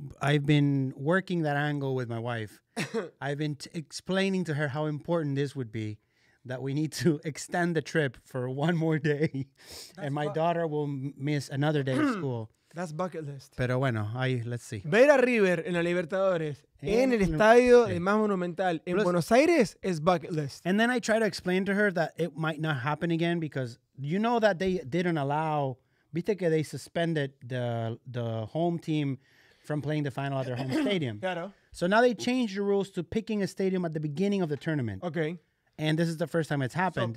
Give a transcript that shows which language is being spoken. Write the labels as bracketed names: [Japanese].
[English] I've been working that angle with my wife. I've been explaining to her how important this would be. That we need to extend the trip for one more day. And my daughter will miss another day of school. That's bucket list. [Spanish] Pero bueno, ahí, [English] let's see. [Spanish] Ver a River en la Libertadores en el estadio más monumental en Buenos Aires [English] is bucket list. And then I try to explain to her that it might not happen again because you know that they didn't allow, [Spanish] viste que [English] they suspended the home team from playing the final at their home stadium. [Spanish] Claro. [English] So now they changed the rules to picking a stadium at the beginning of the tournament. Okay. And this is the first time it's happened.